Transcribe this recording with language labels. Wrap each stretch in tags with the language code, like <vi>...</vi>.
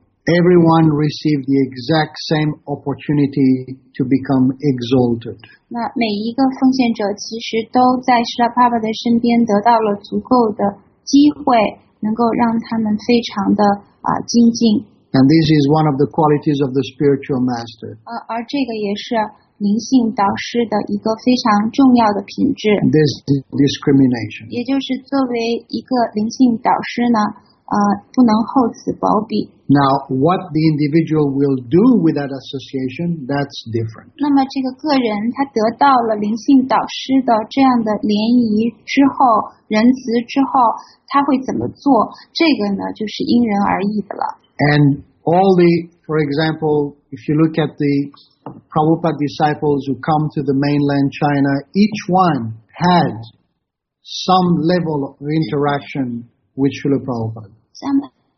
<en>Everyone received the exact same opportunity to become exalted.</en> <zh>那每一个奉献者其实都在 Srila Prabhupada 的身边得到了足够的机会，能够让他们非常的精进。</zh> <en>And this is one of the qualities of the spiritual master.</en> <zh>而这个也是灵性导师的一个非常重要的品质。</zh> <en>This discrimination.</en> <zh>也就是作为一个灵性导师呢，不能厚此薄彼。</zh> <en>Now, what the individual will do with that association, that's different.</en> <zh>那么这个个人他得到了灵性导师的这样的联谊之后，仁慈之后，他会怎么做？这个呢，就是因人而异的了。</zh> <en>And all the, for example, if you look at the Prabhupada disciples who come to the mainland China, each one had some level of interaction with Srila Prabhupada.</en>